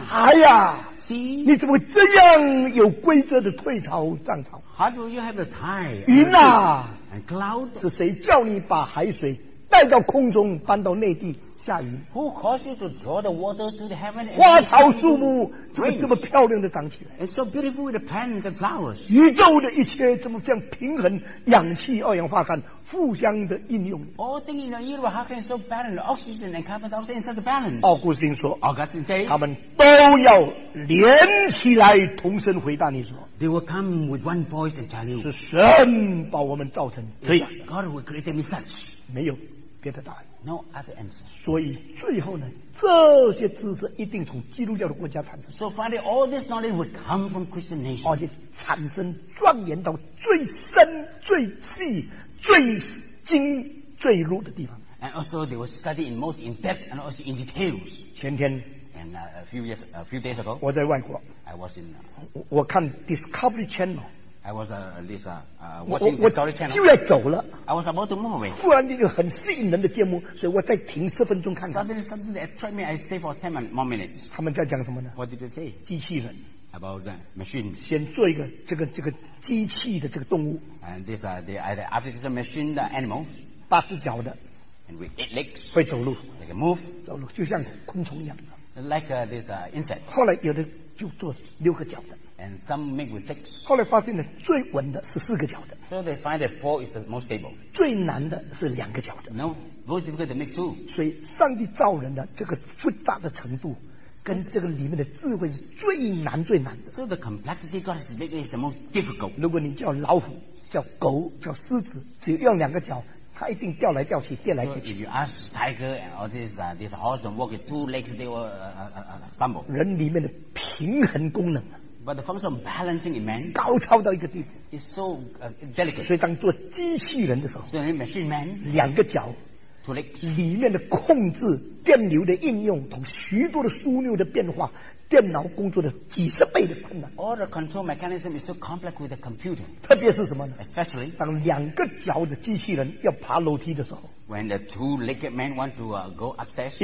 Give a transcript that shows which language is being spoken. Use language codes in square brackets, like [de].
[zh] 海啊 [en] Sea, [zh] 你怎么会这样有规则的退潮涨潮 [en] How do you have the tide? [zh] 云啊 [en] And cloud? [zh] 是谁叫你把海水带到空中搬到内地下雨 [en] Who caused you to draw the water to the heaven? [zh] 花草树木怎么这么漂亮的长起来 [en] It's so beautiful with the plants and flowers [zh] 宇宙的一切怎么这样平衡氧气二氧化碳互相的应用 [en] All things in the universe how can it so balance oxygen and carbon dioxide in such a balance [zh] 奥古斯丁说 [en] Augustine say [zh] 他们都要连起来同声回答你说 [en] They will come with one voice and tell you [zh] 是神把我们造成这样 [en] God will create them in such [zh] 没有别的答案 [en] No other answer [zh] 所以最后呢这些知识一定从基督教的国家产生 [en] So finally all this knowledge would come from Christian nation [zh] 而且产生钻研到最深最细最精最入的地方 [en] And also they will study in most in depth and also in details [zh] 前天 [en] And a few days ago [zh] 我在外国 [en] I was in [zh] 我看 Discovery Channel [en] I was watching Discovery Channel [zh] 我居然走了 [en] I was about to move away [zh] 忽然间有很吸引人的节目所以我再停十分钟看看 [en] Suddenly something that attracted me I stayed for 10 more minutes [zh] 他们在讲什么呢 [en] What did they say [zh] 机器人 [en] About the machine. [zh] 先做一个这个机器的这个动物。 [en] And these are the either artificial machine the animals. [zh] 八只脚的。 [en] And with eight legs. [zh] 会走路。 [en] They can move. [zh] 走路就像昆虫一样。 [en] Like this insect. [zh] 后来有的就做六个脚的。 [en] And some make with six. [zh] 后来发现呢，最稳的是四个脚的。 [en] So they find that four is the most stable. [zh] 最难的是两个脚的。 [en] No, most difficult to make two. [zh] 所以上帝造人的这个复杂的程度。跟这个里面的智慧是最难最难的。 [en] So the complexity God has made is the most difficult. [zh] 如果你叫老虎、叫狗、叫狮子，只用两个脚，它一定掉来掉去、跌来跌去。 [en] So if you ask tiger and all these horses and walk with two legs, they will stumble. [zh] 人里面的平衡功能啊。 [en] But the function of balancing in man [zh] 高超到一个地步。 [en] Is so delicate. [zh] 所以当做机器人的时候。 [en] So in machine man. [zh] 两个脚。里面的控制电流的应用同许多的枢纽的变化电脑工作的几十倍的困难 [en] All the control mechanism is so complex with the computer [zh] 特别是什么呢 [en] Especially [zh] 当两个脚的机器人要爬楼梯的时候 [en] When the two-legged man want to go upstairs